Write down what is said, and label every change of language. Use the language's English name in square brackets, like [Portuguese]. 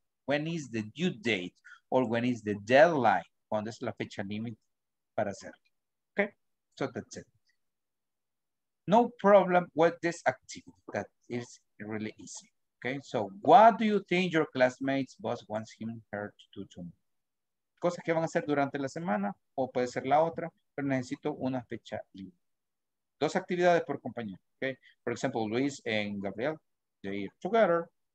[English] When is the due date or when is the deadline? [Spanish] ¿Cuándo es la fecha límite para hacerlo? [English] Okay, so that's it. No problem with this activity. That is really easy. Okay, so what do you think your classmate's boss wants him or her to do tomorrow? [Spanish] Cosas que van a hacer durante la semana o puede ser la otra, pero necesito una fecha límite. Dos actividades por compañero. [English] Okay, for example, Luis and Gabriel, they are together.